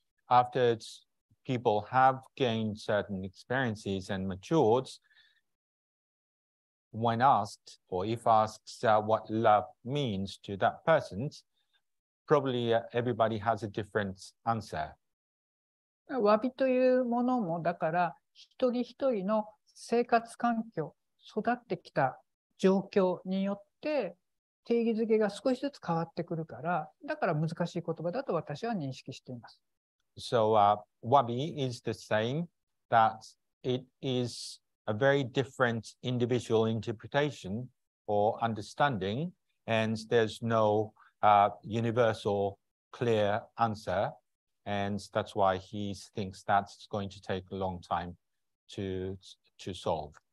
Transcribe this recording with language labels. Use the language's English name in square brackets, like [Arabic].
[English] After people have gained certain experiences and matured, when asked, or if asked what love means to that person, probably everybody has a different answer. [Japanese] わびというものも、だから一人一人の生活環境、育ってきた状況によって定義づけが少しずつ変わってくるから、だから難しい言葉だと私は認識しています。 [English] So wabi is the same, that it is a very different individual interpretation or understanding, and there's no universal clear answer. And that's why he thinks that's going to take a long time to solve.